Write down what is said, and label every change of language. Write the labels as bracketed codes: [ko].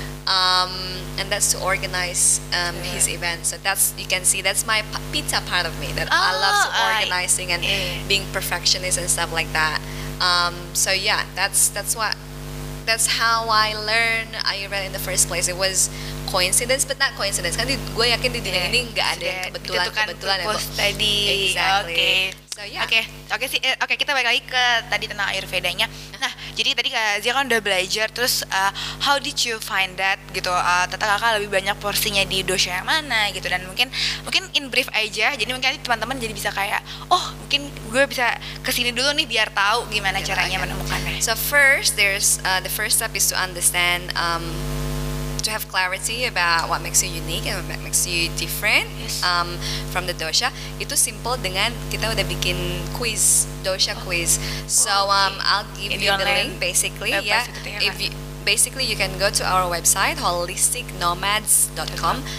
[en] And that's to organize his event. So that's, you can see, that's my pizza part of me, that I love organizing and being perfectionist and stuff like that. So yeah, that's how I learn Ayurveda in the first place. It was coincidence, but not coincidence. [id] Kan gue yakin di dunia ini enggak ada yang kebetulan-kebetulan ya. Tadi. [en] Exactly. Okay. So yeah. [id] Okay, kita balik lagi ke tadi tentang Ayurvedanya. Nah, jadi tadi Kak Zia kan udah belajar, terus [en] how did you find that [id] gitu? Tata kakak lebih banyak porsinya di dosha yang mana gitu, dan mungkin in brief aja. Jadi mungkin teman-teman jadi bisa kayak, oh, mungkin gue bisa kesini dulu nih biar tahu gimana caranya menemukannya. [en] So first, there's the first step is to understand, to have clarity about what makes you unique and what makes you different, from the dosha. [id] Itu simple dengan kita udah bikin quiz, dosha quiz. [en] So I'll give you the link basically. Yeah. If you, basically you can go to our website holisticnomads.com.